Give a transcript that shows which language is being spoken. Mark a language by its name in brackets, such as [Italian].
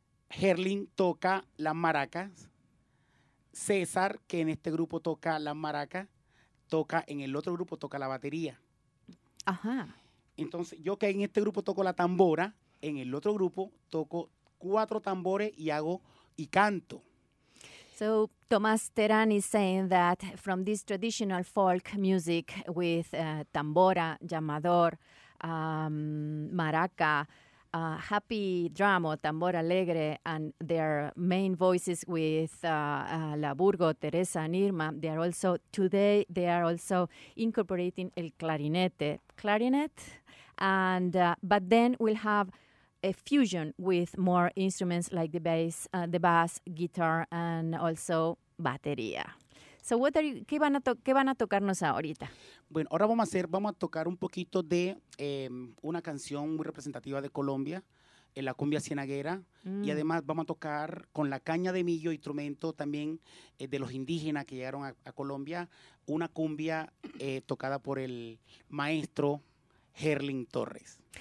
[Spanish] Herling toca las maracas. César, que en este grupo toca las maracas, toca en el otro grupo, toca la batería. Ajá. Entonces, yo que en este grupo toco la tambora, en el otro grupo toco cuatro tambores y hago y canto. [English] So, Tomás Terán is saying that from this traditional folk music with tambora, llamador, maraca, happy drum or tambor alegre and their main voices with Laburgo, Teresa and Irma, they are also, today they are also incorporating el clarinet, and but then we'll have a fusion with more instruments like the bass, the bass, guitar and also batería. So what are you, [Spanish] ¿qué van a tocarnos ahorita? Bueno, ahora vamos a tocar un poquito de una canción muy representativa de Colombia, en la cumbia cienaguera, y además vamos a tocar con la caña de millo, instrumento también de los indígenas que llegaron a Colombia, una cumbia tocada por el maestro Herling Torres.